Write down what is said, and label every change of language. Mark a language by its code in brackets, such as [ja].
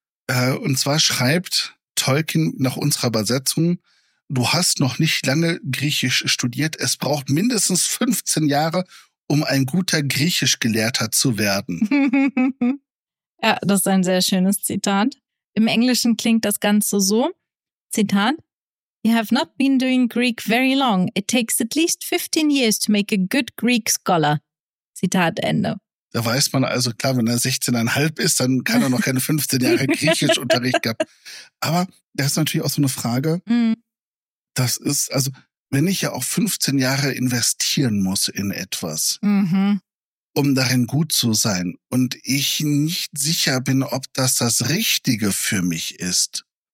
[de] Und zwar schreibt Tolkien nach unserer Übersetzung: Du hast noch nicht lange Griechisch studiert. Es braucht mindestens 15 Jahre, um ein guter Griechischgelehrter zu werden. Ja, das ist ein sehr schönes Zitat. Im Englischen klingt das Ganze so. Zitat: [en] You have not been doing Greek very long. It takes at least 15 years to make a good Greek scholar. [de] Zitat Ende. Da weiß man also, klar, wenn er 16,5 ist, dann kann er noch keine 15 Jahre Griechischunterricht gehabt. Aber das ist natürlich auch so eine Frage. Mm. Das ist, also, wenn ich ja auch 15 Jahre investieren muss in etwas, um darin gut zu sein, und ich nicht sicher bin, ob das Richtige für mich ist.